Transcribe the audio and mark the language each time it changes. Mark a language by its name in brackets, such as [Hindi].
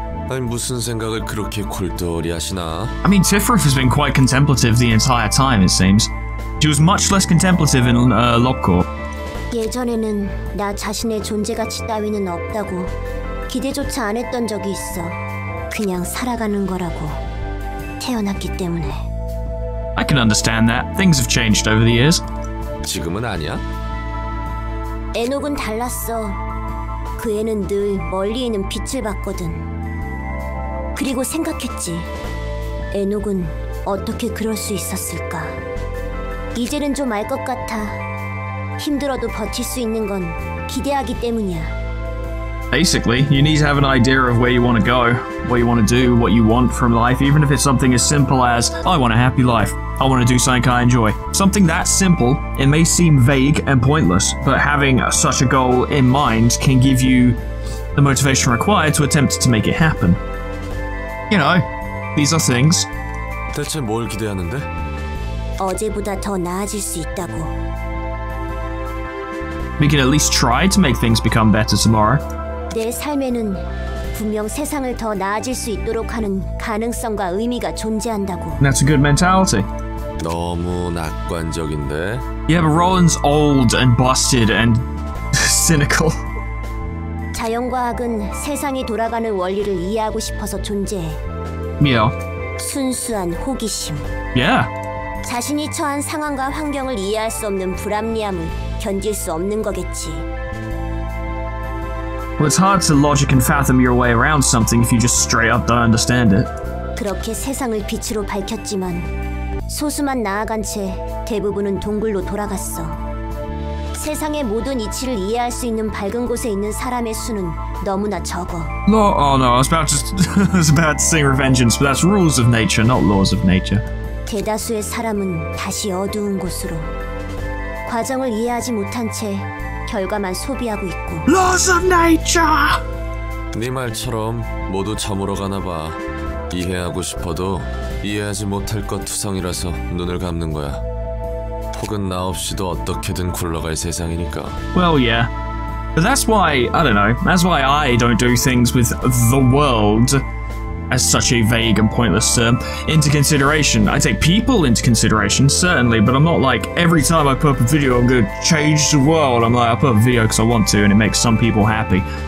[Korean] 아니 무슨 생각을 그렇게 골똘히하시나? [English] I mean, Tifereth has been quite contemplative the entire time, it seems. She was much less contemplative in Lockcourt. [Korean] 예전에는 나 자신의 존재 가치 따위는 없다고 기대조차 안 했던 적이 있어. 그냥 살아가는 거라고 태어났기 때문에. [English] I can understand that. Things have changed over the years. [Korean] 지금은 아니야? 에녹은 달랐어. 그 애는 늘 멀리 있는 빛을 봤거든. 그리고 생각했지. 에녹은 어떻게 그럴 수 있었을까? 이제는 좀 알 것 같아. 힘들어도 버틸 수 있는 건 기대하기 때문이야. [English] Basically, you need to have an idea of where you want to go, what you want to do, what you want from life, even if it's something as simple as, I want a happy life, I want to do something I enjoy. Something that simple, it may seem vague and pointless, but having such a goal in mind can give you the motivation required to attempt to make it happen. You know, these are things. [Korean] 대체 뭘 기대하는데? 어제보다 더 나아질 수 있다고. [English] We can at least try to make things become better tomorrow. [Korean] 내 삶에는 분명 세상을 더 나아질 수 있도록 하는 가능성과 의미가 존재한다고. [English] That's a good mentality. [Korean] 너무 낙관적인데? [English] Yeah, but Roland's old and busted and cynical. [Korean] 자연과학은 세상이 돌아가는 원리를 이해하고 싶어서 존재해. [English] Yeah. [Korean] 순수한 호기심. [English] Yeah. [Korean] 자신이 처한 상황과 환경을 이해할 수 없는 불합리함을 견딜 수 없는 거겠지. [English] Well, it's hard to logic and fathom your way around something if you just straight up don't understand it. [Korean] 그렇게 세상을 빛으로 밝혔지만 소수만 나아간 채 대부분은 동굴로 돌아갔어. 세상의 모든 이치를 이해할 수 있는 밝은 곳에 있는 사람의 수는 너무나 적어. [English] I was about to sing Revengeance, but that's rules of nature, not laws of nature. [Korean] 대다수의 사람은 다시 어두운 곳으로 과정을 이해하지 못한 채 결과만 소비하고 있고. [English] Laws of nature. [Korean] 네 말처럼 모두 저물어 가나 봐. 이해하고 싶어도 이해하지 못할 것 투성이라서 눈을 감는 거야. 혹은 나 없이도 어떻게든 굴러갈 세상이니까. [English] Well, yeah. But that's why That's why I don't do things with the world as such a vague and pointless term, into consideration. I take people into consideration, certainly, but I'm not like, every time I put up a video, I'm gonna change the world. I'm like, I put up a video because I want to, and it makes some people happy.